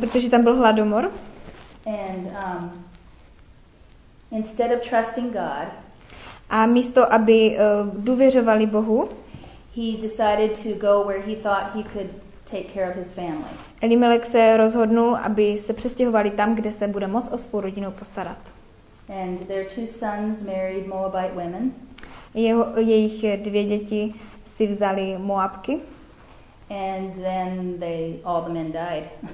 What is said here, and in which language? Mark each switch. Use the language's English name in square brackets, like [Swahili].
[Czech] Protože tam byl hladomor. [English] And instead of trusting God, [Czech] a místo aby důvěřovali Bohu, [English] he decided to go where he thought he could take care of his family. [Czech] Elimelech se rozhodnul, aby se přestěhovali tam, kde se bude moct o svou rodinu postarat. [English] And their two sons married Moabite women. [Czech] Jejich dvě děti si vzali Moabky. [English] And then all the men died.